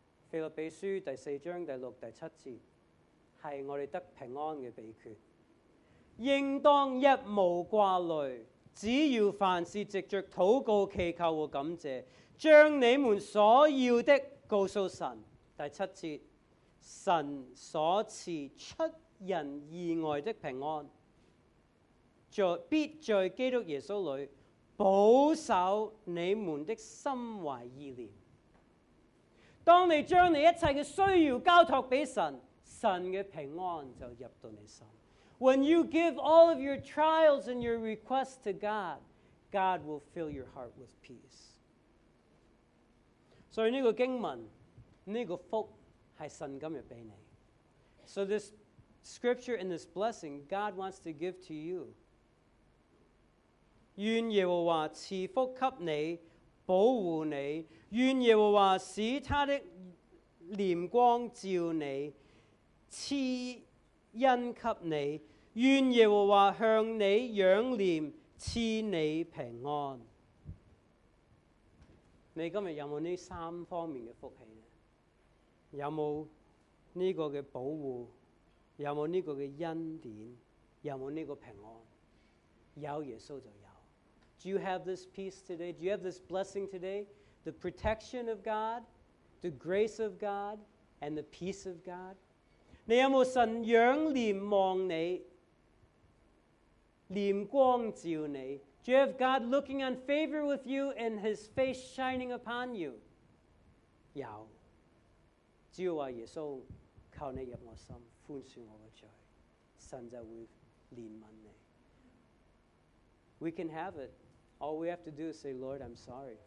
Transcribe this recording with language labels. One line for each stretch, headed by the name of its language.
Chinese: 腓立比书第四章第六第七节，是我们得平安的秘诀。应当一无挂虑，只要凡事藉着祷告祈求和感谢，将你们所要的告诉神。第七节，神所赐出人意外的平安，必在基督耶稣里保守你们的心怀意念。当你将你一切的需要交托给神，神的平安就入到你心。
English: When you give all of your trials and your requests to God, God will fill your heart with peace.
Chinese: 所以这个经文，这个福是神今天给你。
English: So this scripture and this blessing God wants to give to you.
Chinese: 愿耶和华赐福给你，保护你，愿耶和华使他的怜光照你，赐恩给你，愿耶和华向你仰怜，赐你平安。你今天有没有这三方面的福气？有没有这个保护？有没有这个恩典？有没有这个平安？有耶稣就有。
English: Do you have this peace today? Do you have this blessing today? The protection of God, the grace of God, and the peace of God?
Chinese: 你有没有神仰怜望你，怜光照你？
English: Do you have God looking on favor with you and his face shining upon you?
Chinese: 有。只要说耶稣靠你入我心，宽恕我的罪，神就会怜悯你。
English: We can have it. All we have to do is say, Lord, I'm sorry.